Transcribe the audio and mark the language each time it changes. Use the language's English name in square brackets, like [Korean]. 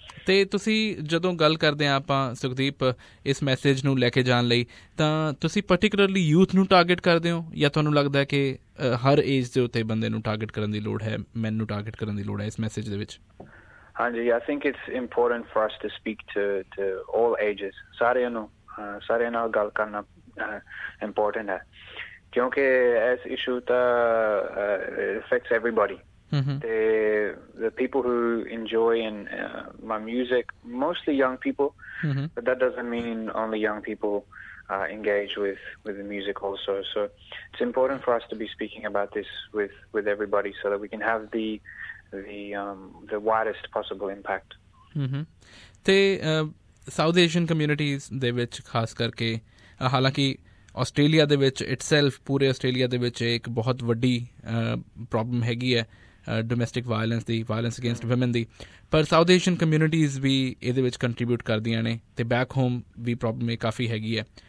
[Punjabi] ਤੇ ਤੁਸੀਂ ਜਦੋਂ ਗੱਲ ਕਰਦੇ ਆ ਆਪਾਂ ਸੁਖਦੀਪ ਇਸ ਮੈਸੇਜ ਨੂੰ ਲੈ ਕੇ ਜਾਣ ਲਈ, ਤਾਂ ਤੁਸੀਂ ਪਰਟੀਕੁਲਰਲੀ ਯੂਥ ਨੂੰ ਟਾਰਗੇਟ ਕਰਦੇ ਹੋ ਜਾਂ ਤੁਹਾਨੂੰ ਲੱਗਦਾ ਕਿ ਹਰ ਏਜ ਦੇ ਉੱਤੇ ਬੰਦੇ ਨੂੰ ਟਾਰਗੇਟ ਕਰਨ ਦੀ ਲੋੜ ਹੈ, ਮੈਨ ਨੂੰ ਟਾਰਗੇਟ ਕਰਨ ਦੀ ਲੋੜ ਹੈ ਇਸ ਮੈਸੇਜ ਦੇ ਵਿੱਚ? ਹਾਂਜੀ, [English] I think it's important for us to speak to all ages, [Punjabi] ਸਾਰਿਆਂ ਨੂੰ, ਸਾਰਿਆਂ ਨਾਲ ਗੱਲ ਕਰਨਾ ਇੰਪੋਰਟੈਂਟ ਹੈ, ਕਿਉਂਕਿ ਇਸ issue ਦਾ effects everybody. [English] The people who enjoy in my music, mostly young people, but that doesn't mean only young people engage with the music also. So it's important for us to be speaking about this with everybody so that we can have the widest possible impact. [Punjabi] They South Asian communities de vich khas karke, halanki Australia de vich itself, pure Australia de vich ek bahut vaddi problem hegi hai domestic violence ਦੀ, violence against woman ਦੀ, ਪਰ south Asian communities ਵੀ ਇਹਦੇ ਵਿੱਚ contribute ਕਰਦੀਆਂ ਨੇ, ਅਤੇ back home ਵੀ problem ਇਹ ਕਾਫੀ ਹੈਗੀ ਹੈ।